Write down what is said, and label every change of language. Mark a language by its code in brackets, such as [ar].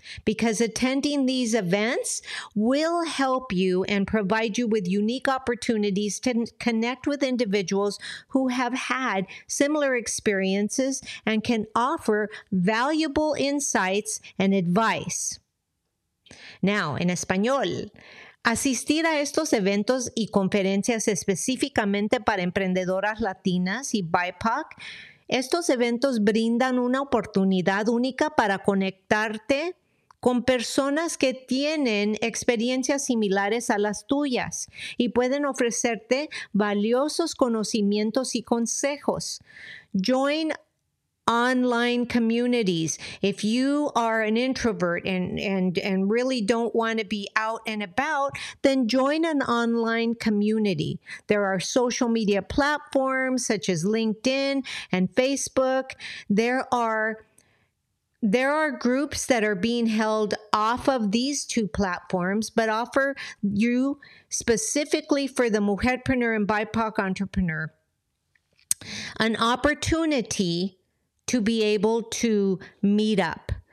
[en] Because attending these events will help you and provide you with unique opportunities to connect with individuals who have had similar experiences and can offer valuable insights and advice. Now, in [es] Español, asistir a estos eventos y conferencias específicamente para emprendedoras latinas y BIPOC, estos eventos brindan una oportunidad única para conectarte con personas que tienen experiencias similares a las tuyas y pueden ofrecerte valiosos conocimientos y consejos. [en] Join online communities. If you are an introvert and really don't want to be out and about, then join an online community. There are social media platforms such as LinkedIn and Facebook. There are groups that are being held off of these two platforms, but offer you specifically for the mujerpreneur and BIPOC entrepreneur an opportunity to be able to meet up.